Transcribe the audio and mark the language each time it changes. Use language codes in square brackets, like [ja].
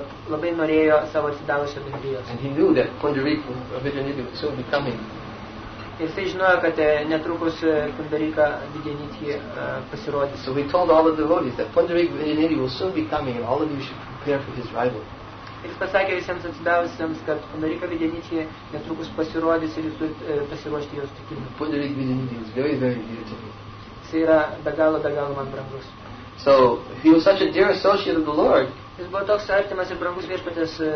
[lt] Labai norėjo savo atsidavusio bendrijos. [en] And he knew that Pundarik Vidyaniti would soon be coming. [lt] Jisai žinojo, kad netrukus Pundarika Vidyaniti pasirodė. [en] So he told all the devotees that Pundarik Vidyaniti will soon be coming and all of you should prepare for his arrival. [lt] Jis pasakė visiems atsidavusiems, kad Pundarika Vidyaniti netrukus pasirodys ir jūs turite pasiruošti jos tikimui. [en] Pundarik Vidyaniti was very, very dear to me. [lt] Jisai yra be galo man brangus. [en] So he was such a dear associate of the Lord. [lt] Jis buvo toks artimas ir brangus Viešpaties.